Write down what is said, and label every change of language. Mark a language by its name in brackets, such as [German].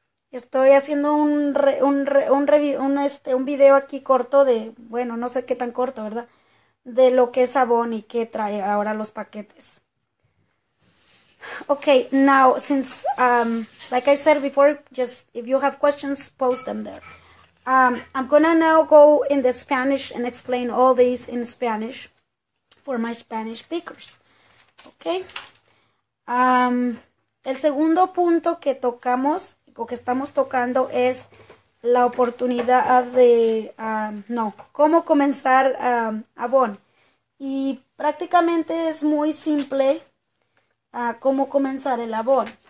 [Spanish] Estoy haciendo un video aquí corto de, bueno, no sé qué tan corto, ¿verdad? De lo que es Avon y qué trae ahora los paquetes. [English] Okay, now since like I said before, just if you have questions, post them there. I'm gonna now go in the Spanish and explain all these in Spanish for my Spanish speakers. Okay. [Spanish] El segundo punto que tocamos o que estamos tocando es la oportunidad de no, cómo comenzar Avon. Y prácticamente es muy simple. ¿Cómo comenzar el Avon?